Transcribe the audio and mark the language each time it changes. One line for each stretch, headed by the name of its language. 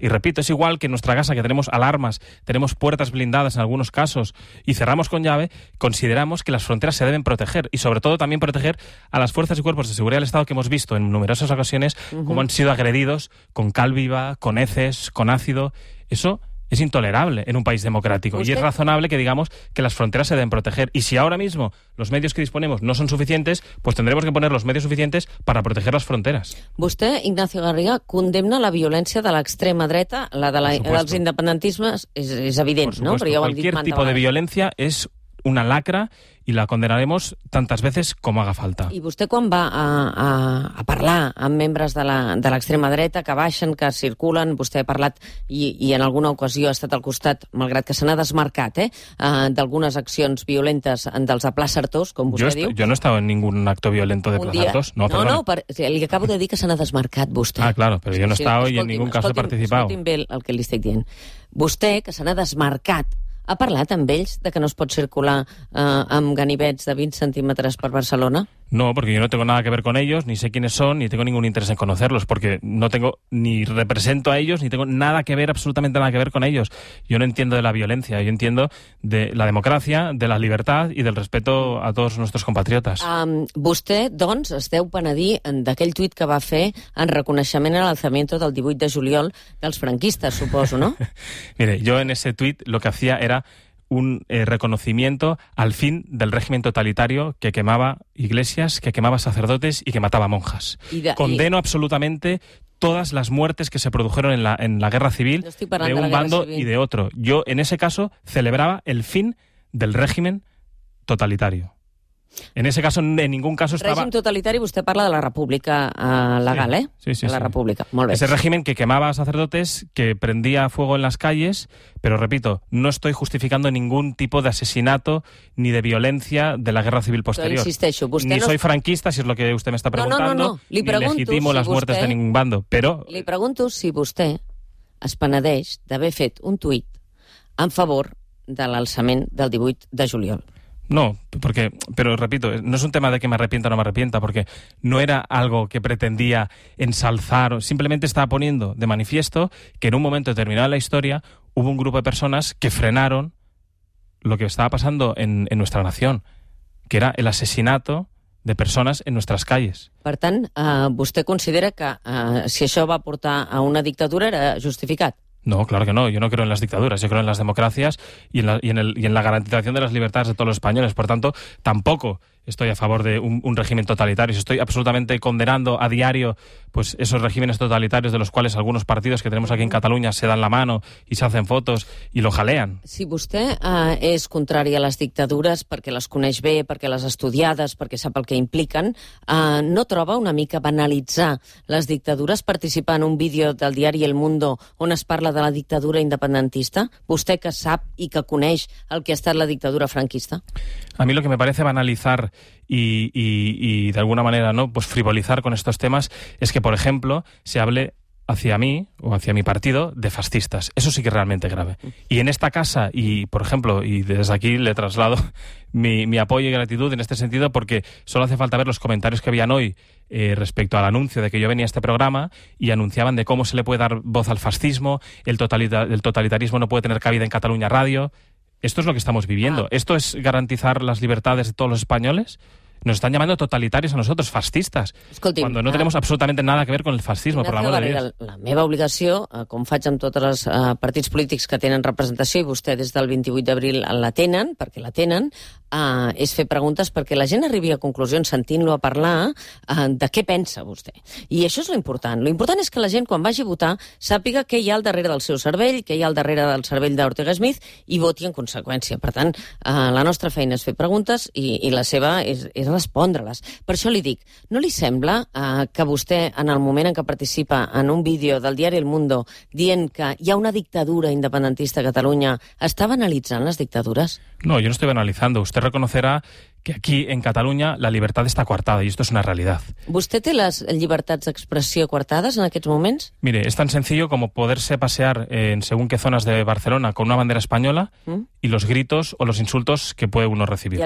Spanish: Y repito, es igual que en nuestra casa, que tenemos alarmas, tenemos puertas blindadas en algunos casos y cerramos con llave, consideramos que las fronteras se deben proteger y sobre todo también proteger a las fuerzas y cuerpos de seguridad del Estado que hemos visto en numerosas ocasiones uh-huh. cómo han sido agredidos con cal viva, con heces, con ácido. Eso... es intolerable en un país democrático. ¿Usted? Y es razonable que digamos que las fronteras se deben proteger. Y si ahora mismo los medios que disponemos no son suficientes, pues tendremos que poner los medios suficientes para proteger las fronteras.
Catalan: Vostè, Ignacio Garriga, condemna la violència de l'extrema dreta, la, de la dels independentismes, és evident, no? Però ja ho hem dit tipus vegades. De violència és una lacra
Spanish: y la condenaremos tantas veces como haga falta.
Catalan: I vostè quan va a parlar amb membres de l'extrema dreta que baixen, que circulen, vostè ha parlat i en alguna ocasió ha estat al costat, malgrat que se n'ha desmarcat, d'algunes accions violentes dels de Plaça Artós, com vostè diu. Jo no he estat en ningun acte violento de Plaça Artós. Li acabo de dir que se n'ha desmarcat vostè. Ah, claro, però jo no he estat i en ningun cas he participat. Escolti'm bé el que li estic dient. Vostè, que se n'ha desmarcat, ha parlat amb ells de que no es pot circular amb ganivets de 20 centímetres per Barcelona?
Spanish: No, porque yo no tengo nada que ver con ellos, ni sé quiénes son, ni tengo ningún interés en conocerlos, porque no tengo, ni represento a ellos, ni tengo nada que ver, absolutamente nada que ver con ellos. Yo no entiendo de la violencia, yo entiendo de la democracia, de la libertad y del respeto a todos nuestros compatriotas.
Catalan: Vostè, doncs, es deu penedir d'aquell tuit que va fer en reconeixement al alzamiento del 18 de juliol dels franquistes, suposo, ¿no?
Spanish: Mire, yo en ese tuit lo que hacía era... un reconocimiento al fin del régimen totalitario que quemaba iglesias, que quemaba sacerdotes y que mataba monjas. Condeno absolutamente todas las muertes que se produjeron en la guerra civil de un bando y de otro. Yo, en ese caso, celebraba el fin del régimen totalitario. En ese caso, en ningún caso estaba...
Catalan: Régimen totalitari, vostè parla de la república legal, sí. ¿eh? Sí, sí, de la sí. república, molt bé.
Spanish: Ese régimen que quemaba sacerdotes, que prendía fuego en las calles, pero repito, no estoy justificando ningún tipo de asesinato ni de violencia de la guerra civil posterior.
Catalan: Però insisteixo, vostè... Ni no...
Spanish: soy franquista, si es lo que usted me está preguntando,
Catalan: no. Li pregunto,
Spanish: ni legitimo si las muertes de ningún bando, pero...
Catalan: Li pregunto si vostè es penedeix d'haver fet un tuit en favor de l'alçament del 18 de juliol.
Spanish: No, porque, pero repito, no es un tema de que me arrepienta o no me arrepienta, porque no era algo que pretendía ensalzar, simplemente estaba poniendo de manifiesto que en un momento determinado de la historia hubo un grupo de personas que frenaron lo que estaba pasando en nuestra nación, que era el asesinato de personas en nuestras calles.
Catalan: Per tant, vostè considera que si això va portar a una dictadura era justificat?
Spanish: No, claro que no. Yo no creo en las dictaduras. Yo creo en las democracias y en la, y en la garantización de las libertades de todos los españoles. Por tanto, tampoco estoy a favor de un régimen totalitario. Estoy absolutamente condenando a diario pues esos regímenes totalitarios de los cuales algunos partidos que tenemos aquí en Cataluña se dan la mano y se hacen fotos y lo jalean.
Catalan: Si vostè és contrari a les dictadures perquè les coneix bé, perquè les ha estudiades, perquè sap el que impliquen, no troba una mica banalitzar les dictadures participar en un vídeo del diari El Mundo on es parla de la dictadura independentista? Vostè que sap i que coneix el que ha estat la dictadura franquista?
Spanish: A mí lo que me parece banalizar y de alguna manera, ¿no? Pues frivolizar con estos temas es que, por ejemplo, se hable hacia mí o hacia mi partido de fascistas. Eso sí que es realmente grave. Y en esta casa, y por ejemplo, y desde aquí le traslado mi apoyo y gratitud en este sentido, porque solo hace falta ver los comentarios que habían hoy respecto al anuncio de que yo venía a este programa y anunciaban de cómo se le puede dar voz al fascismo, el totalitarismo no puede tener cabida en Catalunya Radio. Esto es lo que estamos viviendo. Ah. ¿Esto es garantizar las libertades de todos los españoles? Nos están llamando totalitarios a nosotros, fascistas.
Catalan: Escolti'm,
Spanish: cuando no tenemos absolutament nada que ver con el fascisme,
Catalan: per l'amor de Dios. La meva obligació, com faig amb tots els partits polítics que tenen representació, i vostè des del 28 d'abril la tenen, perquè la tenen, és fer preguntes perquè la gent arribi a conclusions sentint-lo a parlar de què pensa vostè. I això és l'important. L'important és que la gent, quan vagi a votar, sàpiga què hi ha al darrere del seu cervell, què hi ha al darrere del cervell d'Ortega Smith, i voti en conseqüència. Per tant, la nostra feina és fer preguntes i la seva és respondre-les. Per això li dic, no li sembla que vostè, en el moment en què participa en un vídeo del diari El Mundo dient que hi ha una dictadura independentista a Catalunya, estava analitzant les dictadures?
Spanish: No, yo no estoy analizando. Usted reconocerá que aquí, en Cataluña, la libertad está coartada y esto es una realidad. ¿Usted tiene las libertades de expresión coartadas en
Catalan: aquests moments?
Spanish: Mire, es tan sencillo como poderse pasear en según qué zonas de Barcelona con una bandera española y los gritos o los insultos que puede uno recibir.